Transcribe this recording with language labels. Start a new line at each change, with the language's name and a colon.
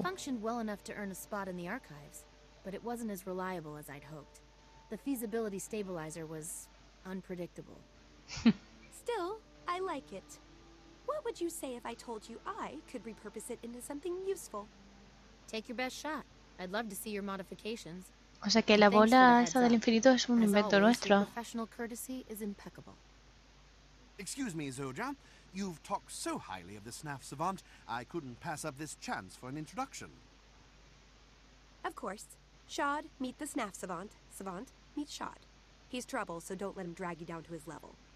English: It functioned well enough to earn a spot in the archives, but it wasn't as reliable as I'd hoped. The feasibility stabilizer was unpredictable. Still, I like it. What would you say if I told you I could repurpose it into something useful? Take your best shot. I'd love to see your modifications.
Spanish: O sea que la bola esa del infinito es un invento nuestro.
English: Professional courtesy is impeccable. Excuse me, Zoja. You've talked so highly of the Snuff Savant, I couldn't pass up this chance for an introduction. Of course. Shod, meet the Snuff Savant. Savant, meet Shod. He's trouble, so don't let him drag you down to his level.